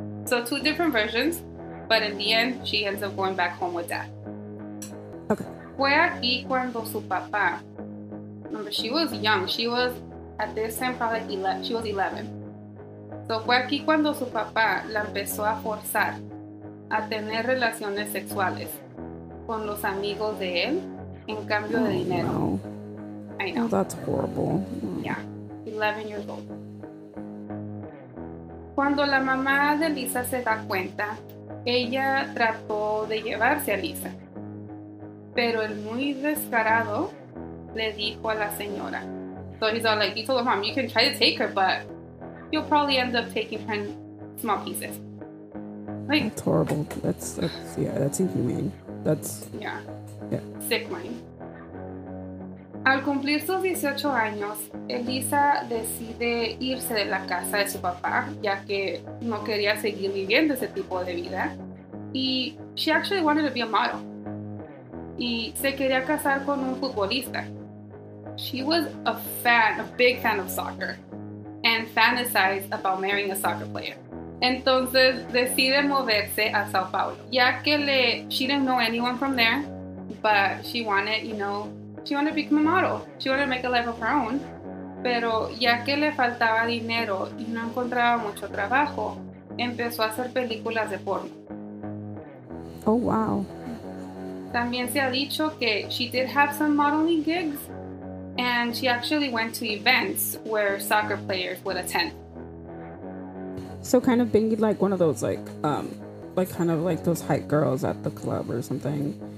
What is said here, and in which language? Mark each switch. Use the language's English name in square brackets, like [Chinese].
[English] So two different versions, but in the end, she ends up going back home with dad. Okay. [Spanish] Fue aquí cuando su papá, [English] remember, she was young. She was, at this time, probably 11. She was 11. [Spanish] So fue aquí cuando su papá la empezó a forzar a tener relaciones sexuales con los amigos de él en cambio de dinero. [English] No. I know. Oh, that's horrible. Yeah. 11 years old. [Spanish] Cuando la mamá de Lisa se da cuenta, ella trató de llevarse a Lisa. Pero el muy descarado le dijo a la señora. [English] So he's all like, he told the mom, you can try to take her, but you'll probably end up taking her in small pieces. Like, that's horrible. That's yeah, that's inhumane. That's... Yeah. Yeah. Sick mind. [Spanish] Al cumplir sus 18 años, Eliza decide irse de la casa de su papá, ya que no quería seguir viviendo ese tipo de vida. [English] Y she actually wanted to be a model. [Spanish] Y se quería casar con un futbolista. [English] She was a fan, a big fan of soccer, and fantasized about marrying a soccer player. [Spanish] Entonces decide moverse a Sao Paulo, ya que [English] she didn't know anyone from there, but she wanted, you know, she wanted to become a model. She wanted to make a life of her own. [Spanish] Pero ya que le faltaba dinero y no encontraba mucho trabajo, empezó a hacer películas de porno. [English] Oh, wow. [Spanish] También se ha dicho que [English] she did have some modeling gigs, and she actually went to events where soccer players would attend. So kind of being like one of those, like kind of like those hype girls at the club or something.